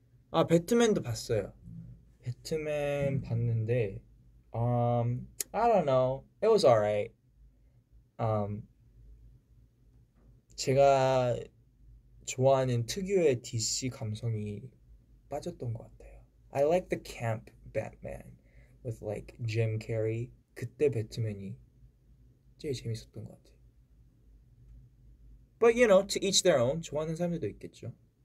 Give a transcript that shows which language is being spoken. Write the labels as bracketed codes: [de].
[ko] 아, 배트맨도 봤어요. 배트맨 봤는데 [en] I don't know. It was alright. [ko] 제가 좋아하는 특유의 DC 감성이 빠졌던 것 같아요. [en] I like the camp Batman with like Jim Carrey. [ko] 그때 배트맨이 제일 재밌었던 것 같아요. [en] But you know, to each their own. [ko] 좋아하는 사람들도 있겠죠.